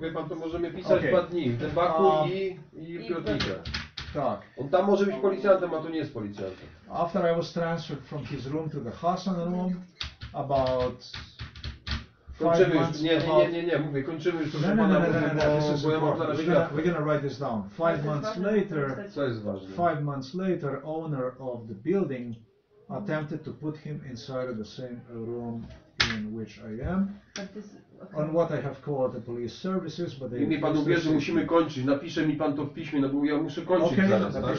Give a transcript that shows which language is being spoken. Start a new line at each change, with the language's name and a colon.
Polish: wie pan, to możemy pisać dwa dni. W Zębaku i w Piotrnicze. Tak. On tam może być policjantem, a tu nie jest policjantem.
English: After I was transferred from his room to the Hassan room, about five months.
Polish: Nie, mówię, kończymy już to, że pana mówię, bo ja
English: we're gonna write this down. Five months later,
Polish: co jest ważne?
English: Five months later, owner of the building attempted to put him inside of the same room in which I am. Okay. On what I have called the police services, but they...
Polish: Niech mi pan uwierzy, musimy kończyć. Napisze mi pan to w piśmie, no bo ja muszę kończyć zaraz.